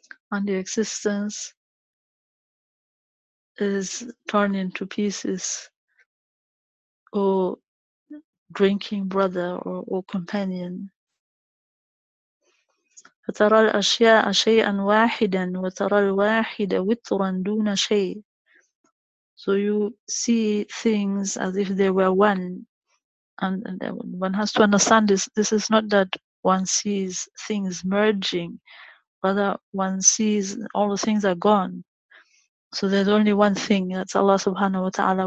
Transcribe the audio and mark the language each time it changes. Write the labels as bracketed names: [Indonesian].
[English] And the existence is torn into pieces, O drinking brother or companion. [Arabic] فترى الأشياء شيئا واحدا وترى الواحد وترا دون شيء. [English] So you see things as if they were one, and one has to understand this. This is not that one sees things merging. Rather, one sees all the things are gone. So there's only one thing, that's Allah subhanahu wa ta'ala.